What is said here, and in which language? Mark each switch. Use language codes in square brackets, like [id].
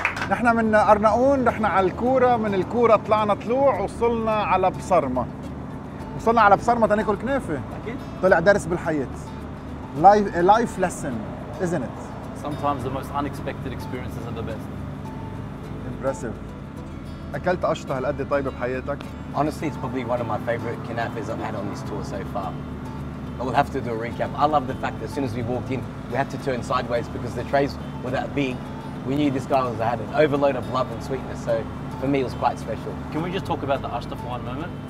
[ar] نحن من أرناؤون رحنا على الكورة من الكورة طلعنا طلوع وصلنا على بصرمة. وصلنا على بصرمة تناكل كنافة. أكيد. طلع درس بالحياة. [en] Life, a life lesson, isn't it? Sometimes the most unexpected experiences are the best. Impressive. [ar] أكلت قشطة هالقد طيبة بحياتك؟ [en] Honestly, it's probably one of my favorite canapes I've had on this tour so far. I will have to do a recap. I love the fact that as soon as we walked in, we had to turn sideways because the trays were that big. We knew this guy was had an overload of love and sweetness, so for me it was quite special. Can we just talk about the qashta for one moment?